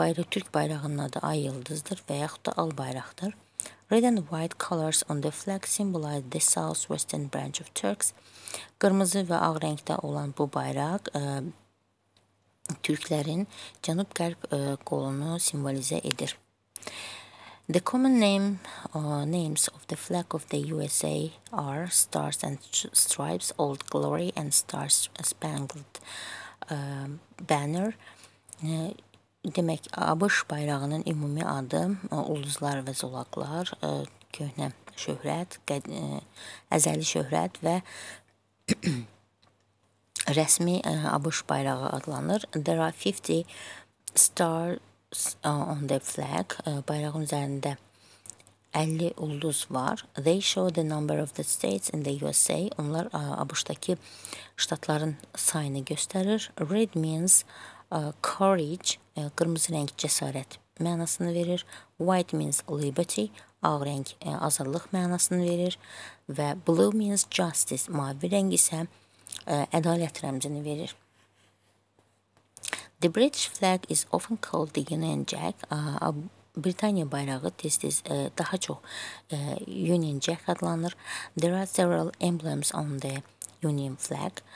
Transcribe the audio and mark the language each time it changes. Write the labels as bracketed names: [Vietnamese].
[Azerbaijani] Türk bayrağının adı ay yıldızdır və yaxud da al bayraqdır. [English] Red and white colors on the flag symbolize the southwestern branch of Turks. [Turkish] Kırmızı ve ağ renkte olan bu bayrak Türklerin [Azerbaijani] cənub-qərb kolunu simbolize edir. [English] The common name names of the flag of the USA are Stars and Stripes, Old Glory and Star Spangled Banner. [Azerbaijani] Demek ABŞ bayrağının ümumi adı ulduzlar ve zolaqlar, köhnə şöhrət, əzəli şöhrət və rəsmi ABŞ bayrağı adlanır. [English] There are 50 stars on the flag. [Azerbaijani] Bayrağın üzərində 50 ulduz var. [English] They show the number of the states in the USA. [Azerbaijani] Onlar ABŞ-dakı ştatların sayını göstərir. [English] Red means courage, [Turkish] kırmızı renk cesaret [Azerbaijani] mənasını verir. [English] White means liberty, [Azerbaijani] ağ renk azadlıq mənasını verir. Və [English] blue means justice, [Azerbaijani] mavi renk isə ədalət rəmzini verir. [English] The British flag is often called the Union Jack. [Azerbaijani] Britaniya bayrağı tez-tez daha çox Union Jack adlanır. [English] There are several emblems on the Union flag.